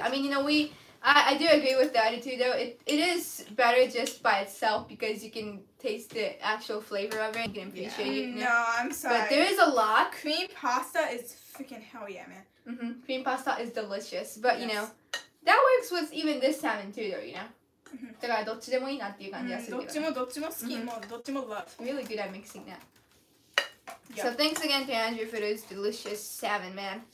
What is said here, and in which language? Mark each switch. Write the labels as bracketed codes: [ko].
[en] I mean, you know, I do agree with the attitude, though. It is better just by itself because you can taste the actual flavor of it. You can appreciate it. No, I'm sorry. But there is a lot. Cream pasta is freaking hell yeah, man. Mm-hmm. Cream pasta is delicious. But, yes. you know, that works with even this salmon, too, though, you know? [ja] だからどっちでもいいなっていう感じがするけど。どっちもどっちも好き。どっちも [en] love. Really good at mixing that. Yep. So thanks again to Andrew for this delicious salmon, man.